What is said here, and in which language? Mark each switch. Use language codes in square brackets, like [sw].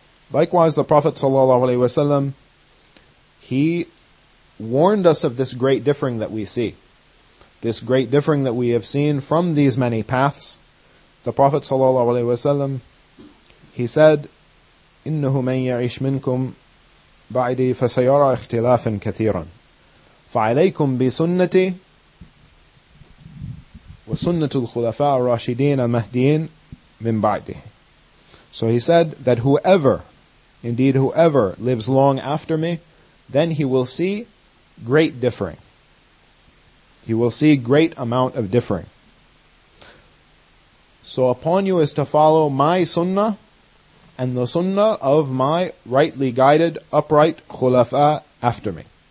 [en] Likewise, the Prophet ﷺ, he warned us of this great differing that we see. This great differing that we have seen from these many paths. The Prophet ﷺ, he said, [ar] إِنَّهُ مَنْ يَعِشْ مِنْكُمْ بَعْدِي فَسَيَرَى اخْتِلَافٍ كَثِيرًا فَعَلَيْكُمْ بِسُنَّتِي وَسُنَّةُ الْخُلَفَاءَ الرَّاشِدِينَ الْمَهْدِينَ مِنْ بَعْدِهِ. [en] So he said that whoever lives long after me, then he will see great differing. He will see great amount of differing. So upon you is to follow my sunnah and the sunnah of my rightly guided, upright khulafa after me.